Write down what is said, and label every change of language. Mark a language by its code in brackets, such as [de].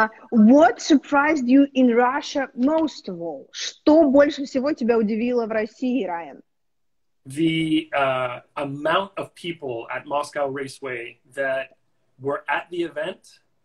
[en] What surprised you in Russia most of all? [ru] Что больше всего тебя удивило в России, Райан? [en] The amount of people at Moscow Raceway that were at the event.